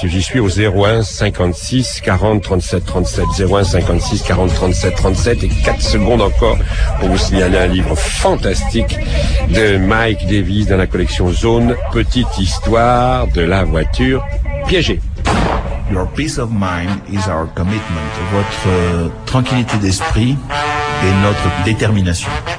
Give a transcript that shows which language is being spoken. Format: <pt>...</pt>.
<fr>J'y suis au 01 56 40 37 37. 01 56 40 37 37. Et 4 secondes encore pour vous signaler un livre fantastique de Mike Davis dans la collection Zone, Petite histoire de la voiture piégée.</fr> <en>Your peace of mind is our commitment.</en> <fr>Votre tranquillité d'esprit est notre détermination.</fr>